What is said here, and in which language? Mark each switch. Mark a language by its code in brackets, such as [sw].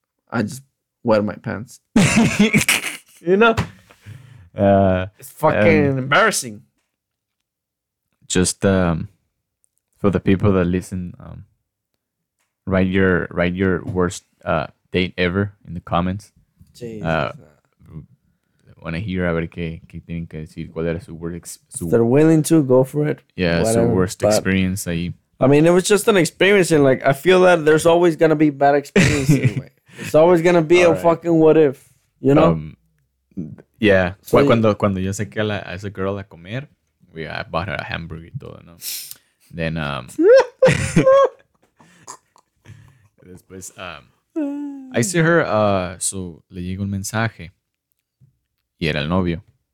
[en] I just wet my pants. You know? It's fucking embarrassing. Just for the people that listen... Write your worst date ever in the comments. Want to hear [es] a ver qué tienen que decir. ¿Cuál era su worst? [en] They're willing to go for it. Yeah, whatever, su worst experience ahí. I mean, it was just an experience, and like I feel that there's always gonna be bad experiences. Anyway. It's always gonna be fucking what if, you know? Yeah. [es] So cuando yo saqué a esa girl a comer, [en] I bought her a hamburger [es] y todo, ¿no? Then después, [en] I see her, [es] so le llega un mensaje y era el novio.